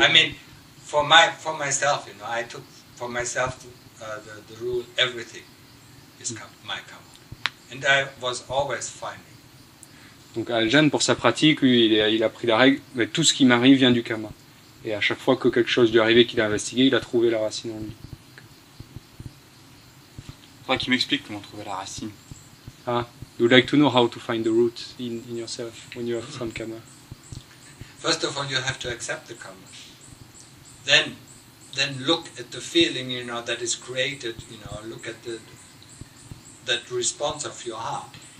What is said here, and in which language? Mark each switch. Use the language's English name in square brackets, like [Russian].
[English] I mean, for myself, you know, I took for myself the rule, everything is my karma. And I was always finding. [French] Donc Ajahn, pour sa pratique, lui, il a pris la règle, mais tout ce qui m'arrive vient du karma. Et à chaque fois que quelque chose lui arrivait qu'il a investigué, il a trouvé la racine en lui. Faudrait qu'il m'explique comment trouver la racine. [English] Ah, you would like to know how to find the root in yourself when you have some karma. First of all, you have to accept the karma. Then look at the feeling, you know, that is created, you know, look at that response of your heart.